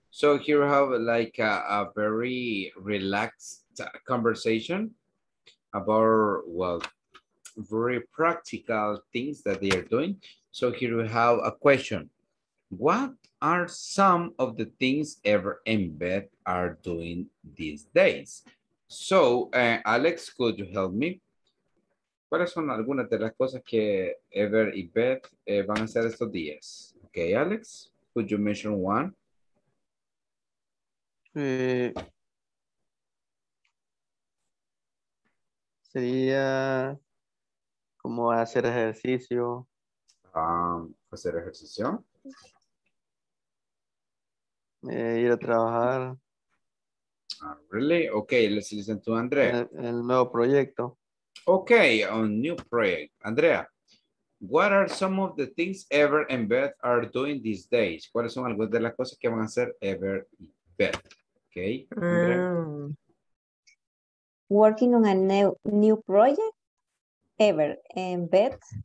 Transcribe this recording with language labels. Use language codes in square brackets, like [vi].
[en] So here we have like a very relaxed conversation about, well, very practical things that they are doing. So here we have a question. What are some of the things Ever and Beth are doing these days? So, Alex, could you help me? [es] ¿Cuáles son algunas de las cosas que Ever y Beth van a hacer estos días? [en] Okay, Alex, could you mention one? [es] Sería como hacer ejercicio. Hacer ejercicio. Ir a trabajar. [en] Really? Okay, let's listen to Andrea. [es] El nuevo proyecto. [en] Okay, a new project. Andrea, what are some of the things Ever and Beth are doing these days? [es] ¿Cuáles son algunas de las cosas que van a hacer Ever y Beth? [en] Okay. Working on a new project, Ever and Beth.